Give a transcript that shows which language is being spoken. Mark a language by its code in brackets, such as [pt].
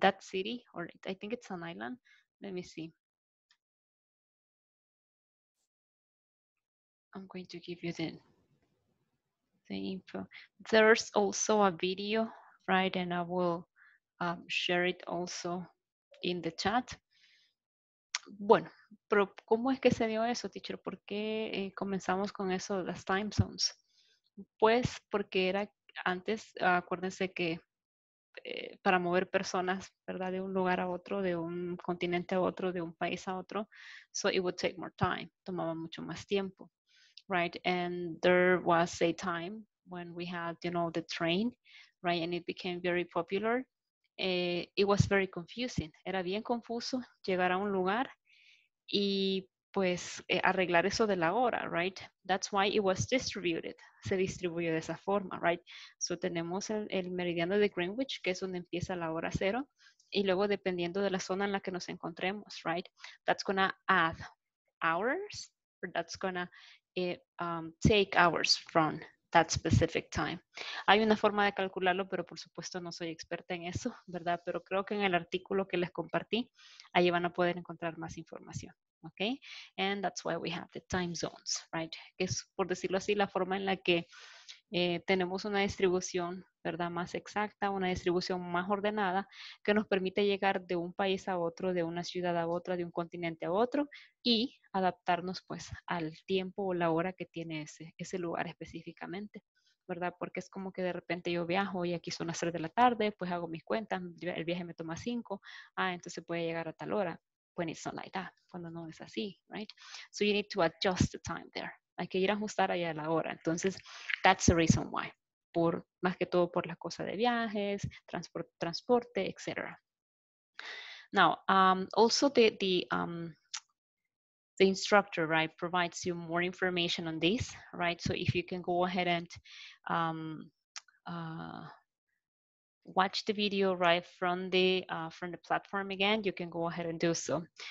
[en] That city, or I think it's an island. Let me see. I'm going to give you the info. There's also a video, right? And I will share it also in the chat. [es] Bueno, pero ¿cómo es que se dio eso, teacher? ¿Por qué comenzamos con eso, las [en] time zones? [es] Pues porque era antes, acuérdense que para mover personas, ¿verdad? De un lugar a otro, de un continente a otro, de un país a otro. [en] So it would take more time. [es] Tomaba mucho más tiempo, [en] right? And there was a time when we had, you know, the train, right? And it became very popular. It was very confusing. [es] Era bien confuso llegar a un lugar y pues arreglar eso de la hora, [en] right? That's why it was distributed. [es] Se distribuyó de esa forma, [en] right? So [es] tenemos el meridiano de Greenwich, que es donde empieza la hora cero. Y luego dependiendo de la zona en la que nos encontremos, [en] right? That's gonna add hours, or that's gonna take hours from that specific time. [es] Hay una forma de calcularlo, pero por supuesto no soy experta en eso, ¿verdad? Pero creo que en el artículo que les compartí, ahí van a poder encontrar más información. [en] Okay, and that's why we have the time zones, right? [es] Que es, por decirlo así, la forma en la que tenemos una distribución, ¿verdad? Más exacta, una distribución más ordenada, que nos permite llegar de un país a otro, de una ciudad a otra, de un continente a otro, y adaptarnos, pues, al tiempo o la hora que tiene ese lugar específicamente, ¿verdad? Porque es como que de repente yo viajo y aquí son las 3 de la tarde, pues hago mis cuentas, el viaje me toma 5, ah, entonces puede llegar a tal hora. [en] When it's not like that, [es] cuando no es así, [en] right? So you need to adjust the time there. [es] Hay que ir a ajustar allá a la hora. Entonces, [en] that's the reason why. [es] Por, más que todo por la cosa de viajes, transporte, etc. [en] Now, also the instructor, right, provides you more information on this, right? So if you can go ahead and watch the video right from the platform again, you can go ahead and do so.